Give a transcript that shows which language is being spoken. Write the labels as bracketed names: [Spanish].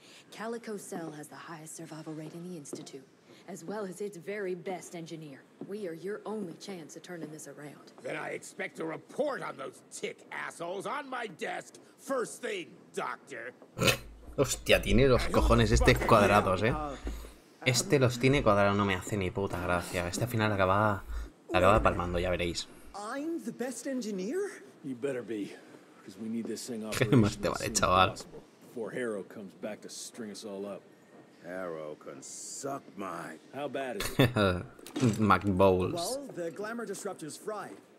[English] Calico Cell has the highest survival rate in the Institute, as well as its very best engineer. We are your only chance of turning this around. Then I expect a report on those tick assholes on my desk first thing, doctor. [Spanish] Hostia, tiene los cojones este cuadrados, ¿eh? Este los tiene cuadrados, no me hace ni puta gracia. Este al final acaba... Acaba palmando, ya veréis. [English] I'm the best engineer? You better be, because we need this thing up. [Spanish] ¿Qué más te vale, chaval? [English] Before Harrow comes back to string us all up. Harrow can suck my... How bad is it? McBowls. Well, the glamour disruptor's fried.